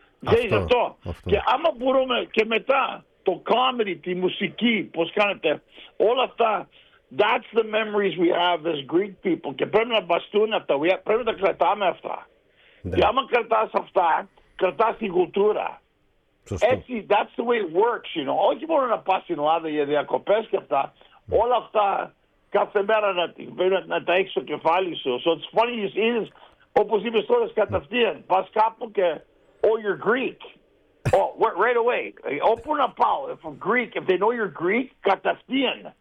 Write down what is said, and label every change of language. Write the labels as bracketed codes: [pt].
[el] Ξέρεις αυτό. Και άμα μπορούμε και μετά το comedy, τη μουσική, πώς κάνετε, όλα αυτά, [en] that's the memories we have as Greek people. [el] Και πρέπει να βαστούν αυτά. Πρέπει να κρατάμε αυτά. Και άμα κρατάς αυτά, κρατάς την κουλτούρα. Έτσι, [en] that's the way it works, you know. [el] Όχι μόνο να πας στην Ελλάδα για διακοπές και αυτά. Όλα αυτά, κάθε μέρα να τα έχεις στο κεφάλι σου. [en] So it's funny, you see this. [el] Όπως είπες τώρα, καταυθείαν, πας κάπου και, [en] oh, you're Greek. Oh, right away. [el] Όπου να πάω, [en] if I'm Greek, if they know you're Greek, [el] καταυθείαν.